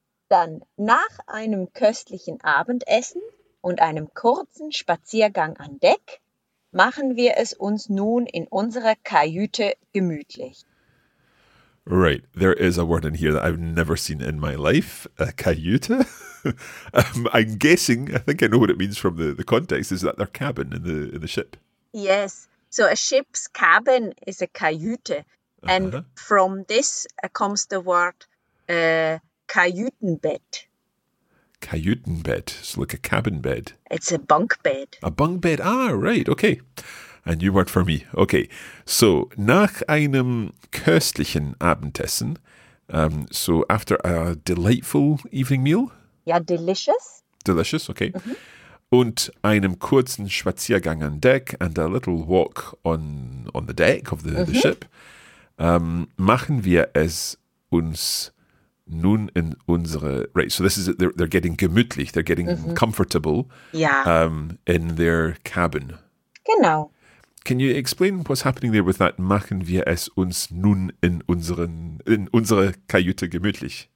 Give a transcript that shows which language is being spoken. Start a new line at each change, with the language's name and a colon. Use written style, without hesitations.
German: Dann nach einem köstlichen Abendessen und einem kurzen Spaziergang an Deck machen wir es uns nun in unserer Kajüte gemütlich.
English: Right, there is a word in here that I've never seen in my life, a cajuta. I think I know what it means from the context, is that their cabin in the ship. Yes, so a ship's cabin is a cajuta. And from this comes the word kajutenbed. Kajutenbed, so like a cabin bed. It's a bunk bed. A bunk bed, ah, right, okay. A new word for me. Okay, so
German: nach einem köstlichen Abendessen,
English: so after a delightful evening meal. Ja, delicious. Delicious, okay. Mm-hmm.
German: Und einem kurzen Spaziergang an Deck
English: and a little walk on the deck of the ship,
German: machen wir es uns nun in unsere,
English: right, so this is, they're getting gemütlich, they're getting comfortable in their cabin.
German: Genau.
English: Can you explain what's happening there with that?
German: Machen wir es uns nun in unsere Kajüte gemütlich?